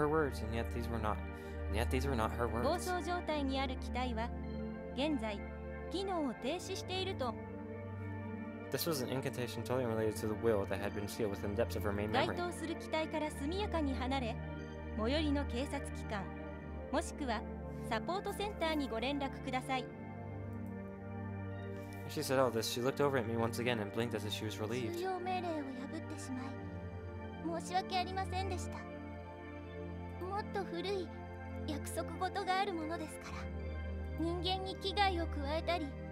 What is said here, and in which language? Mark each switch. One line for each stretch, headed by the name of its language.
English: were her words, and yet these were not. And yet these were not her words.
Japanese: 暴走状態にある機体は現在機能を停止していると。
English: This was an incantation totally unrelated to the will that had been sealed within the depths of her main memory.
Japanese: 該当する機体から速やかに離れ、最寄りの警察機関、もしくはサポートセンターにご連絡ください。
English: As she said all this, she looked over at me once again and blinked as if she was relieved.
Japanese: 通用命令を破ってしまい、申し訳ありませんでした。もっと古い約束事があるものですから、人間に危害を加えたり、